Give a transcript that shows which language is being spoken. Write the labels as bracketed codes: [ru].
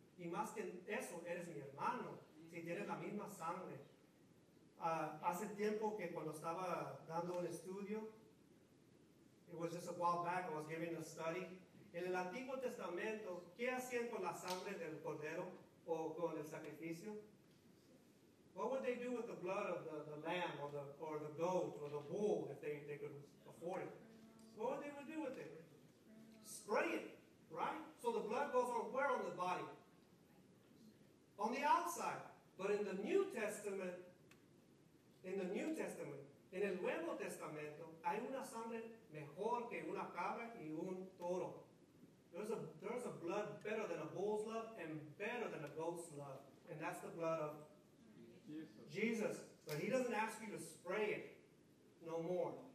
[es] Y más que eso, eres mi hermano. Si tienes la misma sangre. Hace tiempo que cuando estaba dando un estudio, [en] it was just a while back, I was giving a study. [es] En el Antiguo Testamento, ¿qué hacían con la sangre del cordero o con el sacrificio? [en] What would they do with the blood of the lamb or the goat or the bull if they could afford it? What would they do with it? Spray it, right? So the blood goes on where on the body? On the outside. But in the New Testament, [es] en el Nuevo Testamento, hay una sangre mejor que una cabra y un toro. [en] There's a blood better than a bull's blood and better than a goat's blood. And that's the blood of Jesus. But he doesn't ask you to spray it no more.